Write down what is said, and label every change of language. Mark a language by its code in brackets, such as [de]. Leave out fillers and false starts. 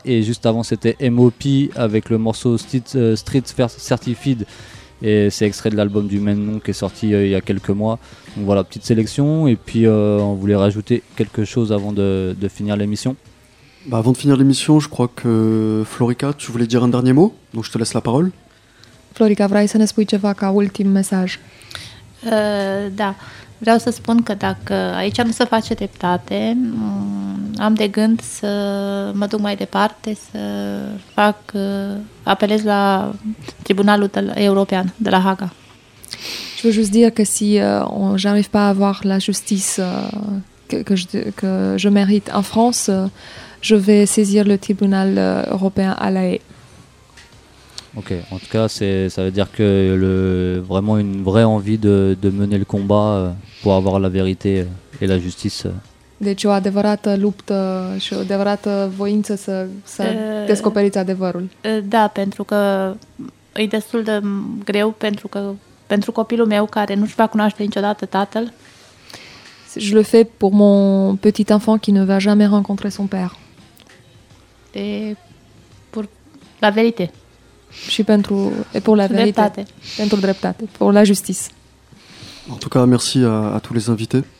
[fr] Et juste avant, c'était M.O.P. avec le morceau Street Certified. Et c'est extrait de l'album du même nom qui est sorti il y a quelques mois. Donc voilà, petite sélection. Et puis, on voulait rajouter quelque chose avant de finir l'émission. Bah avant de finir l'émission, je crois que Florica, tu voulais dire un dernier mot. Donc je te laisse la parole. [ro] Florica, vrei să ne spui ceva ca ultim mesaj? Da. Vreau să spun că dacă aici nu se face dreptate, am de gând să mă duc mai departe, să fac, apelez la Tribunalul European de la Haga. [fr] Je veux juste dire que si j'arrive pas à avoir la justice que je mérite en France, je vais saisir le Tribunal européen à La Haye. Ok, en tout cas, ça veut dire que vraiment une vraie envie de mener le combat pour avoir la vérité et la justice. [ro] Deci o adevărată luptă și o adevărată voință să descoperiți adevărul. Da, pentru că e destul de greu pentru copilul meu care nu-și va cunoaște niciodată tatăl. [fr] Je le fais pour mon petit enfant qui ne va jamais rencontrer son père. E pour la vérité. [ro] Și pentru [fr] la vérité. [ro] Dreptate. Pentru dreptate, [fr] pour la justice. En tout cas, merci à tous les invités.